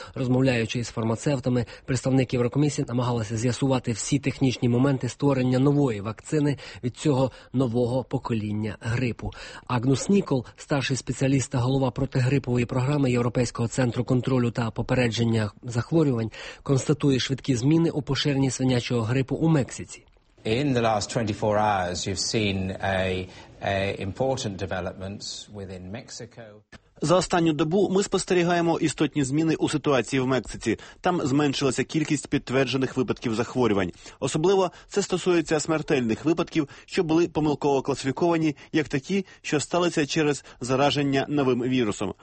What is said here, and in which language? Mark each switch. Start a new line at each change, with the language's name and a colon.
Ukrainian: Розмовляючи із фармацевтами, представник Єврокомісії намагалася з'ясувати всі технічні моменти створення нової вакцини від цього нового покоління грипу. Агнус Нікол, старший спеціаліст та голова протигрипової програми Європейського центру контролю та попередження захворювань, констатує швидкі зміни у поширенні свинячого грипу у Мексиці.
English: In the last 24 hours you've seen a important developments within Mexico.
Ukrainian: За останню добу ми спостерігаємо істотні зміни у ситуації в Мексиці. Там зменшилася кількість підтверджених випадків захворювань. Особливо це стосується смертельних випадків, що були помилково класифіковані як такі, що сталися через зараження новим вірусом.